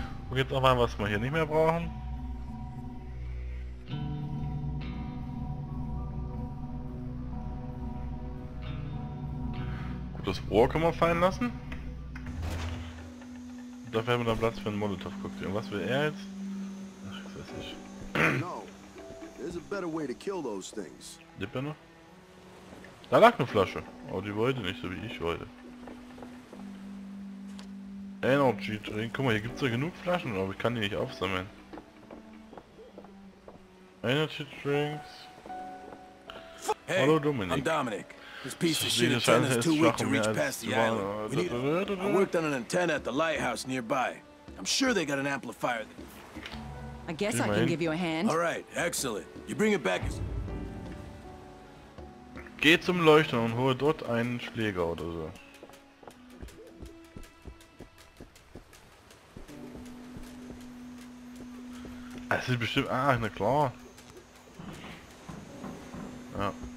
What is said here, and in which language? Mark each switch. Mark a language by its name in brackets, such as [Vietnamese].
[German] Wo gibt's noch mal, was wir hier nicht mehr brauchen? Gut, das Rohr können wir fallen lassen. Dafür haben wir dann Platz für einen Molotov Cocktail. Und was will er jetzt? Ach, ich weiß nicht. [English] No, there's a better way to kill those things. [German] Lippe noch? Da lag eine Flasche. Aber die wollte nicht, so wie ich wollte. Energy Drink. Guck mal, hier gibt es ja genug Flaschen, aber ich kann die nicht aufsammeln. Energy Drinks. Hey, hallo Dominic. [English] I'm Dominic. This piece of shit antenna is too weak to reach past the island. I worked on an antenna at the lighthouse nearby. I'm sure they got an amplifier. I guess I can give you a hand. All right, excellent. You bring it back. [German] Geh zum Leuchten und hole dort einen Schläger oder so. Das ist bestimmt... Ah, na klar. Ja.